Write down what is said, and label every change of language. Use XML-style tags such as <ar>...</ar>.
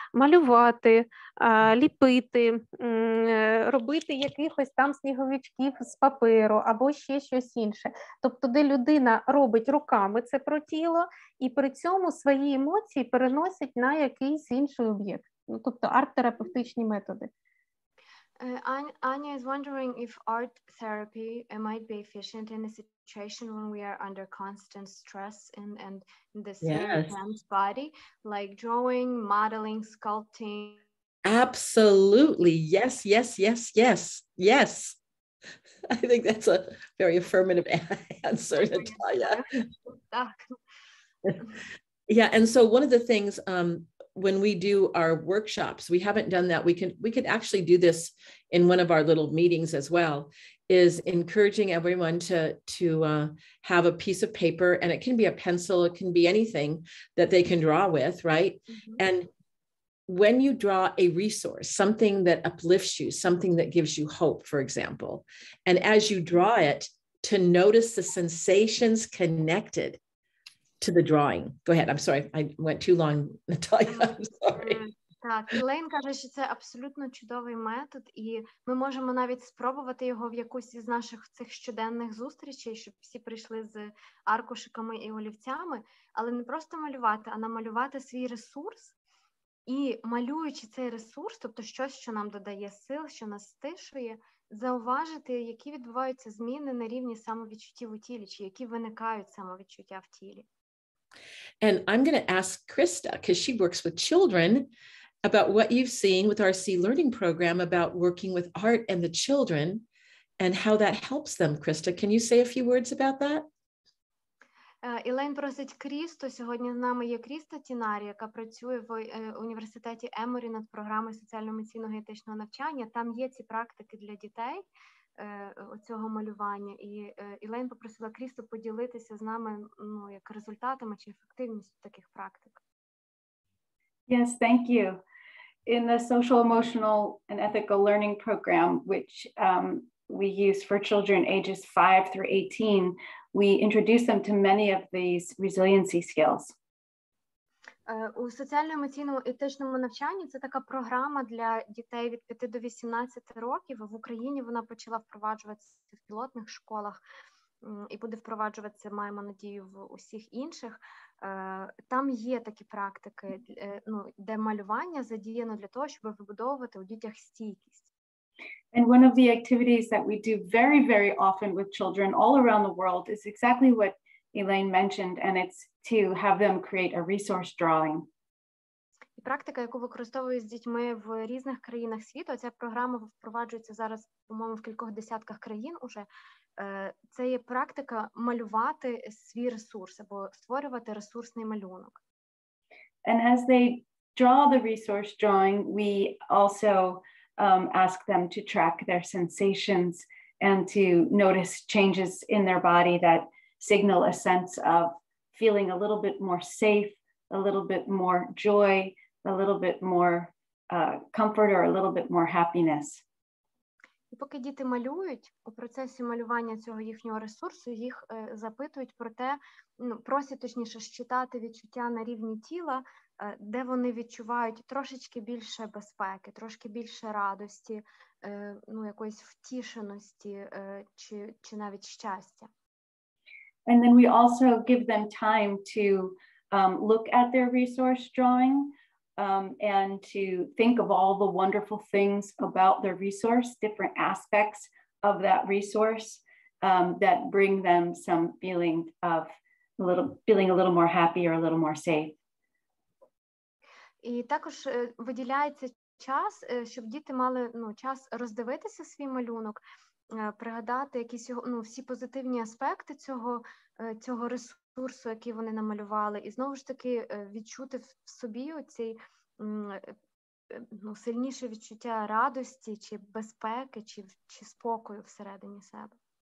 <uk>Малювати, ліпити, робити якихось там сніговичків з паперу або ще щось інше. Тобто, де людина робить руками це про тіло і при цьому свої емоції переносить на якийсь інший об'єкт. Ну, тобто арт-терапевтичні методи.</uk> <en>Anya is wondering if art therapy might be efficient in a situation when we are under constant stress and in the same body, like drawing, modeling, sculpting. Absolutely. Yes, yes, yes, yes. Yes. I think that's a very affirmative answer, Natalia. Yeah, and so one of the things when we do our workshops, we haven't done that. We could actually do this in one of our little meetings as well, is encouraging everyone to have a piece of paper, and it can be a pencil, it can be anything that they can draw with, right? Mm-hmm. And when you draw a resource, something that uplifts you, something that gives you hope, for example, and as you draw it, to notice the sensations connected to the drawing. Go ahead. I'm sorry. I went too long, Natalia. I'm sorry.</en> <uk>Так, Елейн каже, що це абсолютно чудовий метод, і ми можемо навіть спробувати його в якусь із наших цих щоденних зустрічей, щоб всі прийшли з аркушиками і олівцями, але не просто малювати, а намалювати свій ресурс. І малюючи цей ресурс, тобто щось, що нам додає сил, що нас стишує, зауважити, які відбуваються зміни на рівні самовідчуттів у тілі, чи які виникають самовідчуття в тілі.</uk> <en>And I'm going to ask Krista, because she works with children, about what you've seen with our C learning program about working with art and the children and how that helps them. Krista, can you say a few words about that?</en> <uk>Елейн просить Крісту. Сьогодні з нами є Кріста Тінарі, яка працює в університеті Еморі над програмою соціально-емоційного і етичного навчання. Там є ці практики для дітей цього малювання. І Елейн попросила Крісту поділитися з нами, ну, як результатами чи ефективністю таких практик.</uk> <en>Yes, thank you. In the social, emotional, and ethical learning program, which we use for children ages 5 through 18, we introduce them to many of these resiliency skills.</en> <uk>У соціально-емоційному етичному навчанні це така програма для дітей від 5 до 18 років. В Україні вона почала впроваджуватися в пілотних школах і буде впроваджуватися, маємо надію, в усіх інших. Там є такі практики, ну, де малювання задіяно для того, щоб вибудовувати у дітях стійкість.</uk> <en>And one of the activities that we do very, very often with children all around the world is exactly what Elaine mentioned, and it's to have them create a resource drawing.</en> <uk>І практика, яку використовую з дітьми в різних країнах світу, ця програма впроваджується зараз, по-моєму, в кількох десятках країн уже. Це є практика малювати свій ресурс або створювати ресурсний малюнок.</uk> <en>And as they draw the resource drawing, we also ask them to track their sensations and to notice changes in their body that signal a sense of feeling a little bit more safe, a little bit more joy, a little bit more comfort or a little bit more happiness.</en> <uk>І поки діти малюють, у процесі малювання цього їхнього ресурсу, їх запитують про те, ну, просять, точніше, считати відчуття на рівні тіла, де вони відчувають трошечки більше безпеки, трошки більше радості, ну, якоїсь втішеності чи навіть щастя.</uk> <en>And then we also give them time to look at their resource drawing. And to think of all the wonderful things about the resource, different aspects of that resource that bring them some feeling of feeling a little more happy or a little more safe.</en> <uk>І також виділяється час, щоб діти мали, ну, час роздивитися свій малюнок, пригадати якісь його, ну, всі позитивні аспекти цього ресурсу, який вони намалювали, і знову ж таки відчути в собі оцей, ну, сильніше відчуття радості чи безпеки чи спокою всередині себе.</uk>